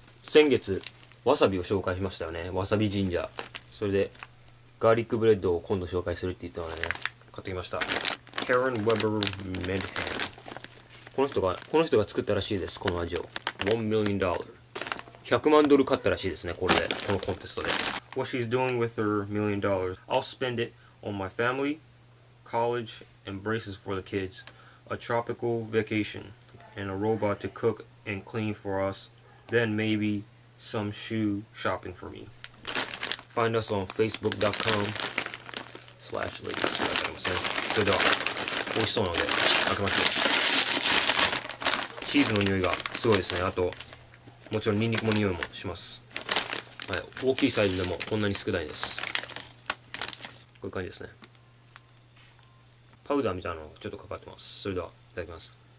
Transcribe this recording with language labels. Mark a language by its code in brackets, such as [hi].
[ja] 先月わさびを紹介しましたよね。わさびジンジャー。それでガーリックブレッドを今度紹介するって言ったのでね、買ってきました。カロン・ウェブ・メディヘン、この人が作ったらしいです。この味を $1 million 100万ドル買ったらしいですね。これでこのコンテストで。 [en] What she's doing with her million dollars, I'll spend it on my family, college, and braces for the kids, a tropical vacation, and a robot to cook and clean for us, then maybe some shoe shopping for me. Find us on facebook.com/ladies. [ja] それでは美味しそうなので開けましょう。チーズの匂いがすごいですね。あともちろんニンニクも匂いもします、はい、大きいサイズでもこんなに少ないです。こういう感じですね。パウダーみたいなのがちょっとかかってます。それではいただきます。